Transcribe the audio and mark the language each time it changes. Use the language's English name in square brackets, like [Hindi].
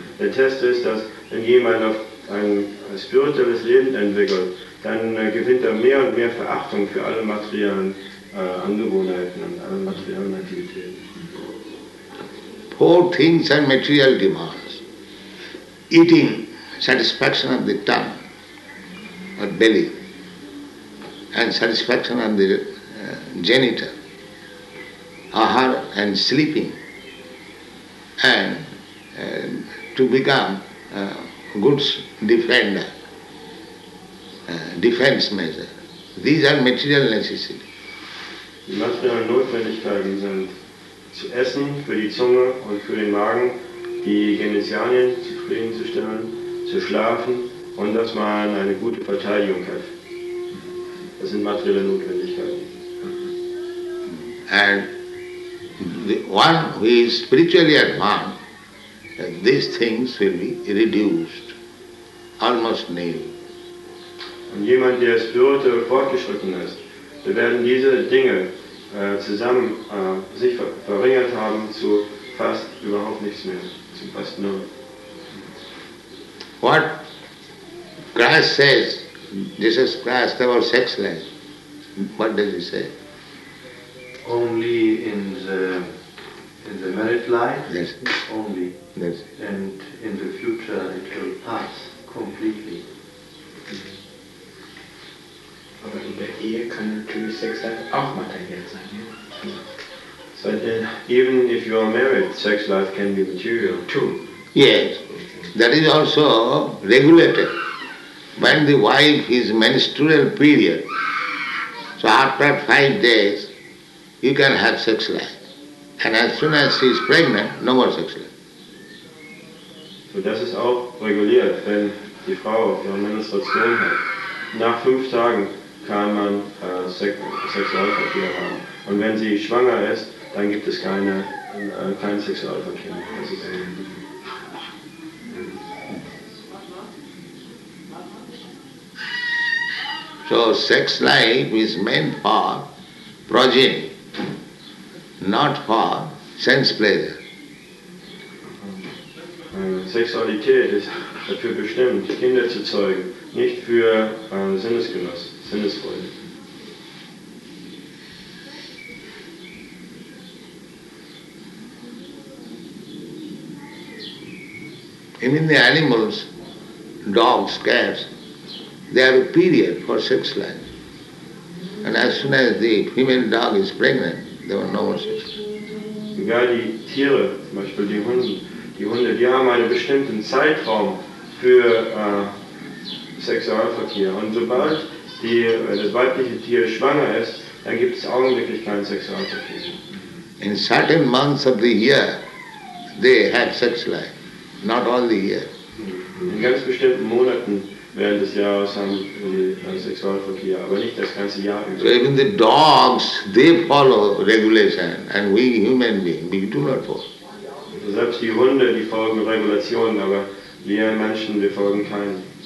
[German] Der Test ist, dass wenn jemand auf ein spirituelles Leben entwickelt, dann gewinnt er mehr und mehr Verachtung für alle materiellen Angewohnheiten und alle materiellen Aktivitäten. [English] Four things and material demands. Eating, satisfaction of the tongue, or belly, and satisfaction on the genital, ahar and sleeping, and to become good defender, defense measure. These are material necessities. [German] Die materiellen Notwendigkeiten sind zu essen für die Zunge und für den Magen, die Genitalien zufriedenzustellen, zu schlafen, und dass man eine gute Verteidigung hat. Das sind materielle Notwendigkeiten. [English] And the one who is spiritually advanced, these things will be reduced, almost nil. [German] Und jemand, der spirituell fortgeschritten ist, da werden diese Dinge zusammen sich verringert haben zu fast überhaupt nichts mehr, zu fast null. [English] What? Christ says, Jesus Christ, about sex life. What does he say? Only in the married life, yes. Only. Yes. And in the future it will pass completely. [German] Aber in der Ehe kann natürlich Sex life auch materiell sein, ja? [English] So even if you are married, sex life can be material too. Yes. That is also regulated. When the wife is menstrual period, so after 5 days, you can have sex life. And as soon as she is pregnant, no more sex life. [German] So das ist auch reguliert, wenn die Frau ihre Menstruation hat. Nach 5 Tagen kann man Sexualverkehr haben. Und wenn sie schwanger ist, dann gibt es kein Sexualverkehr. [English] So sex life is meant for progeny, not for sense pleasure. [German] Sexualität ist dafür bestimmt, Kinder zu zeugen, nicht für Sinnesgenuss, Sinnesfreude. [English] Even the animals, dogs, cats, they have a period for sex life. And as soon as the female dog is pregnant, there are no more sex life. [German] Sogar die Tiere, zum Beispiel die Hunde, die haben einen bestimmten Zeitraum für Sexualverkehr. Und sobald das weibliche Tier schwanger ist, dann gibt es augenblicklich keinen Sexualverkehr. [English] In certain months of the year, they had sex life, not all the year. [German] In ganz bestimmten Monaten während des Jahres haben sie Sexualverkehr, aber nicht das ganze Jahr über. [English] So even the dogs, they follow regulation, and we human beings, we do not follow. [German] Selbst die Hunde, die folgen Regulationen, aber wir Menschen, wir folgen keinen.